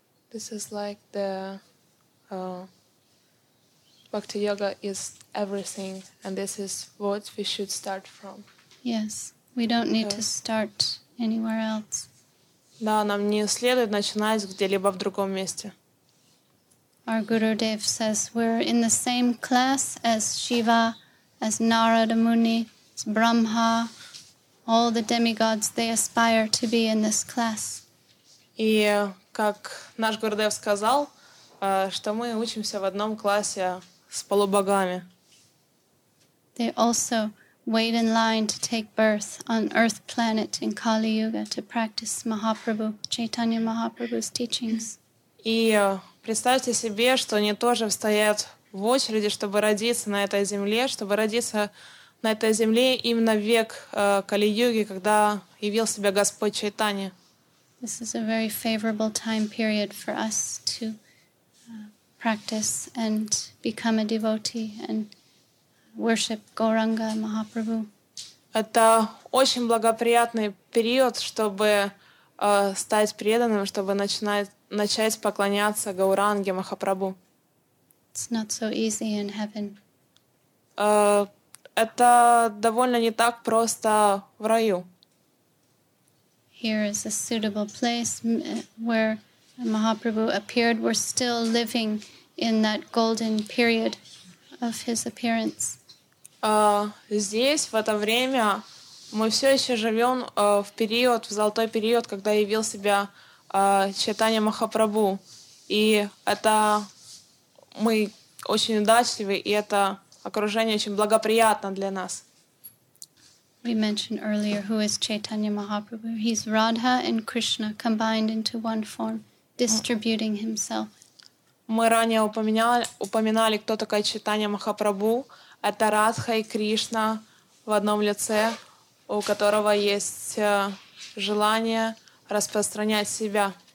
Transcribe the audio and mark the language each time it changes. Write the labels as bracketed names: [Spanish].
[English] This is like the bhakti yoga is everything, and this is what we should start from. Yes, we don't need to start anywhere else. [Russian] Да, нам не следует начинать где-либо в другом месте. [English] Our Gurudev says we're in the same class as Shiva, as Narada Muni, as Brahma, all the demigods. They aspire to be in this class. [Russian] И как наш Гурудев сказал, что мы учимся в одном классе с полубогами. [English] They also wait in line to take birth on Earth planet in Kali Yuga to practice Mahaprabhu, Chaitanya Mahaprabhu's teachings. [Russian] И представьте себе, что они тоже стоят в очереди, чтобы родиться на этой земле, чтобы родиться на этой земле именно в век Кали-юги, когда явил себя Господь Чайтанья. [English] This is a very favorable time period for us to practice and become a devotee and worship Гауранга Махапрабху. [Russian] Это очень благоприятный период, чтобы стать преданным, чтобы начать поклоняться Гауранге Махапрабху. [English] It's not so easy in heaven. [Russian] Это довольно не так просто в раю. [English] Here is a suitable place where Mahaprabhu appeared. We're still living in that golden period of his appearance. [Russian] Здесь, в это время, мы все еще живем в период, в золотой период, когда явил себя Чайтанья Махапрабху. И это мы очень удачливы, и это окружение очень благоприятно для нас. [English] We mentioned earlier who is Chaitanya Mahaprabhu. He's Radha and Krishna combined into one form, distributing himself. [Russian] Мы ранее упоминали, кто такой Чайтанья Махапрабху. Это Радха и Кришна в одном лице, у которого есть желание распространять себя.